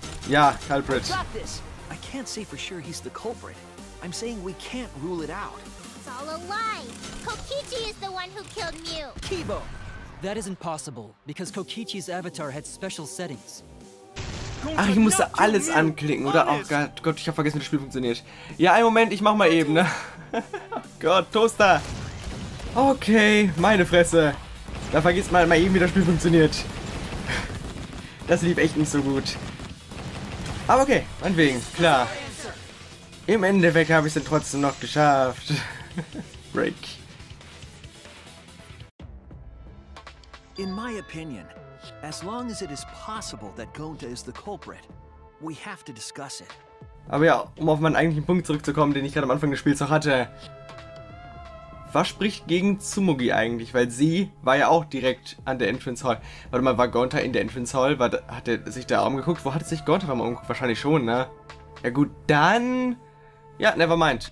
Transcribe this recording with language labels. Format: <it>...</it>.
<de>Ja, Culprit.</de> <en>I got this. I can't say for sure he's the culprit. I'm saying we can't rule it out. It's all a lie. Kokichi is the one who killed Mew. Kibo! That is impossible, because Kokichi's avatar had special settings.</en> <de>Ach, ich musste alles anklicken, oder? Oh Gott, ich hab vergessen, wie das Spiel funktioniert. Ja, einen Moment, ich mach mal eben, ne? Gott, Toaster! Okay, meine Fresse. Da vergisst man mal eben, wie das Spiel funktioniert. Das lief echt nicht so gut. Aber okay, meinetwegen, klar. Im Endeffekt habe ich es dann trotzdem noch geschafft.</de> <en>Break. In my opinion, as long as it is possible that Gonta is the culprit, we have to discuss it.</en> <de>Aber ja, um auf meinen eigentlichen Punkt zurückzukommen, den ich gerade am Anfang des Spiels noch hatte. Was spricht gegen Tsumugi eigentlich? Weil sie war ja auch direkt an der Entrance Hall. Warte mal, war Gonta in der Entrance Hall? Hat er sich da umgeguckt? Wo hat sich Gonta da mal umgeguckt? Wahrscheinlich schon, ne? Ja gut, dann... Ja,</de> <en>never mind.</en>